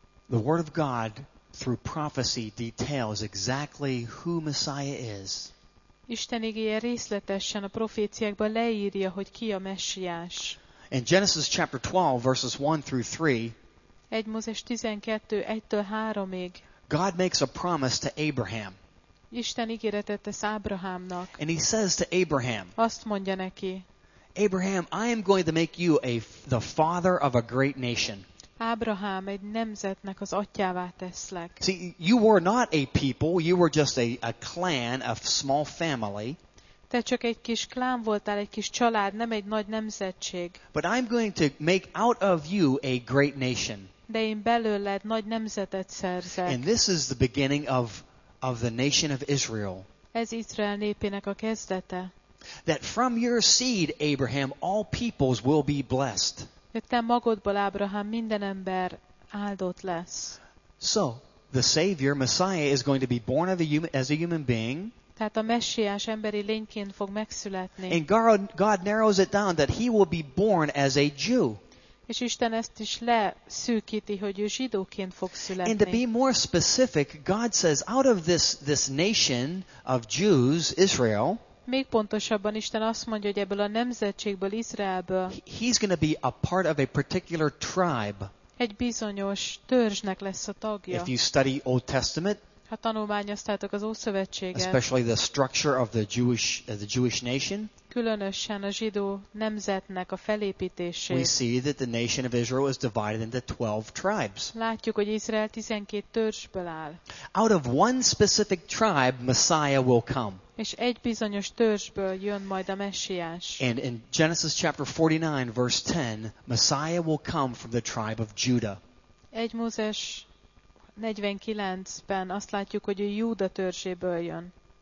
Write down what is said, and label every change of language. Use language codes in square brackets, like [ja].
[en] The word of God through prophecy details exactly who Messiah is. [hu] Isten igéje részletesen a proféciákban leírja, hogy ki a Messiás. [en] In Genesis chapter 12 verses 1 through 3. [hu] 1 Mózes 12:1-3. [en] God makes a promise to Abraham. [hu] Isten ígéretet tesz Ábrahámnak. [en] And he says to Abraham. [hu] Azt mondja neki. [en] Abraham, I am going to make you the father of a great nation. [hu] Ábrahám, egy nemzetnek az atyává teszlek. [en] See, you were not a people, you were just a clan, a small family. [hu] Te csak egy kis klán voltál, egy kis család, nem egy nagy nemzetség. [en] But I'm going to make out of you a great nation. [hu] De én belőled nagy nemzetet szerzek. [en] And this is the beginning of the nation of Israel. [hu] Ez Izrael népének a kezdete. [en] That from your seed, Abraham, all peoples will be blessed. [hu] Te magodból, Ábrahám, minden ember áldott lesz. [en] So, the Savior, Messiah, is going to be born as a human being. [hu] Tehát a Messiás emberi lényként fog megszületni. [en] And God narrows it down that he will be born as a Jew. [hu] És Isten ezt is leszűkíti, hogy ő zsidóként fog születni. [en] And to be more specific, God says, out of this nation of Jews, Israel, [hu] még pontosabban Isten azt mondja, hogy ebből a nemzetségből, Izraelből, [en] he's going to be a part of a particular tribe. [hu] Egy bizonyos törzsnek lesz a tagja. [en] If you study Old Testament, [hu] ha tanulmányoztátok az Ószövetséget, [en] especially the structure of the Jewish nation, [hu] különösen a zsidó nemzetnek a felépítését. [en] We see that the nation of Israel is divided into 12 tribes. [hu] Látjuk, hogy Izrael 12 törzsből áll. [en] Out of one specific tribe, Messiah will come. [hu] És egy bizonyos törzsből jön majd a Messiás. [en] And in Genesis chapter 49 verse 10, Messiah will come from the tribe of Judah. [hu] 1 Mózes 49-ben azt látjuk, hogy a Júda törzséből jön.